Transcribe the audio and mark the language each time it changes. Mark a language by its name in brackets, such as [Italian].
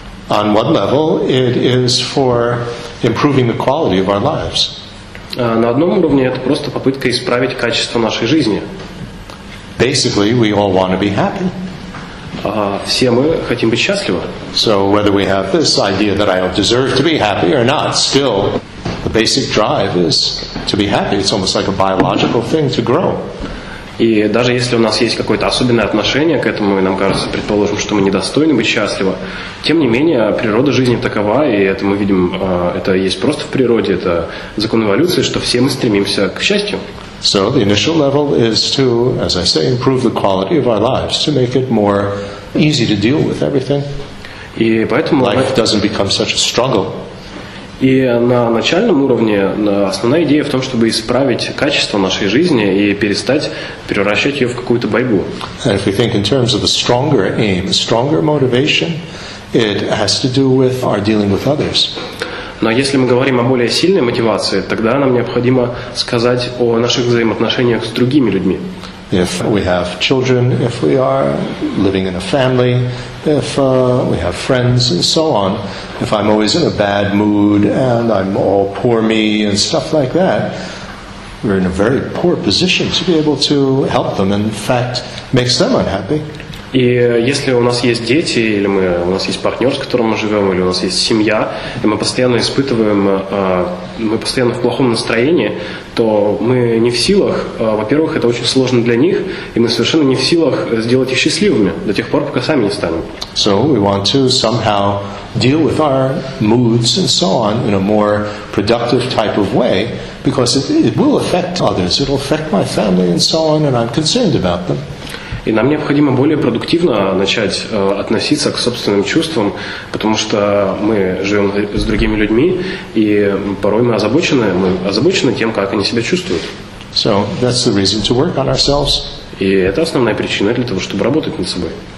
[English] On what level it is for improving the quality of our lives. [Russian] На одном уровне это просто попытка исправить качество нашей жизни. [English] Basically, we all want to be happy. [Russian] Все мы хотим быть счастливы. [English] So whether we have this idea that I deserve to be happy or not, still the basic drive is to be happy. It's almost like a biological thing to grow. [Russian] И даже если у нас есть какое-то особенное отношение к этому, и нам кажется, предположим, что мы недостойны быть счастливы, тем не менее, природа жизни такова, и это мы видим, это есть просто в природе, это закон эволюции, что все мы стремимся к счастью. [English] So the initial level is to, as I say, improve the quality of our lives, to make it more easy to deal with everything. [Russian] И поэтому [English] life doesn't become such a struggle. [Russian] И на начальном уровне основная идея в том, чтобы исправить качество нашей жизни и перестать превращать ее в какую-то борьбу. [English] And if we think in terms of a stronger aim, a stronger motivation, it has to do with our dealing with others. [Russian] Но если мы говорим о более сильной мотивации, тогда нам необходимо сказать о наших взаимоотношениях с другими людьми. [English] If we have children, if we are living in a family, if we have friends and so on, if I'm always in a bad mood and I'm all poor me and stuff like that, we're in a very poor position to be able to help them. In fact, makes them unhappy. [Russian] И если у нас есть дети, или мы, у нас есть партнер, с которым мы живем, или у нас есть семья, и мы постоянно испытываем, мы постоянно в плохом настроении, то мы не в силах, во-первых, это очень сложно для них, и мы совершенно не в силах сделать их счастливыми до тех пор, пока сами не станем. [English] So we want to somehow deal with our moods and so on in a more productive type of way, because it will affect others, it will affect my family and so on, and I'm concerned about them. [Russian] И нам необходимо более продуктивно начать относиться к собственным чувствам, потому что мы живем с другими людьми, и порой мы озабочены тем, как они себя чувствуют. [English] So that's the reason to work on ourselves. [Russian] И это основная причина для того, чтобы работать над собой.